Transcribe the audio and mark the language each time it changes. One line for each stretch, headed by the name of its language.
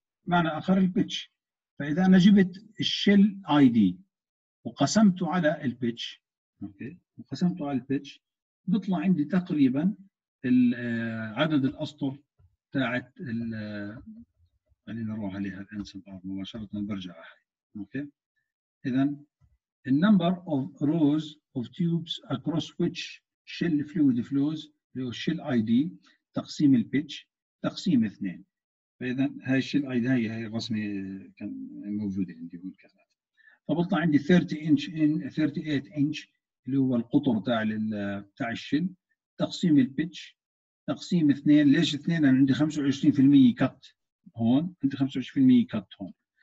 Arabic: معنى آخر البيتش. فإذا أنا جبت الشيل ID وقسمته على البيتش، أوكي وقسمته على البيتش، بطلع عندي تقريبا عدد الأسطر تاعت ال، خلينا نروح عليها الآن مباشرة برجع أحي. أوكي إذن
English: the number of rows of tubes across which shell fluid flows هو shell ID
Arabic: تقسيم البيتش تقسيم 2. فإذن هاي الشيل ID هاي الرسمة كان موجودة عندي هون كذا. فبطلع عندي 38 inch اللي هو القطر تاع الشيل تقسيم البيتش تقسيم 2. ليش 2؟ أنا عندي 25% كت هون، عندي 25% كت هون.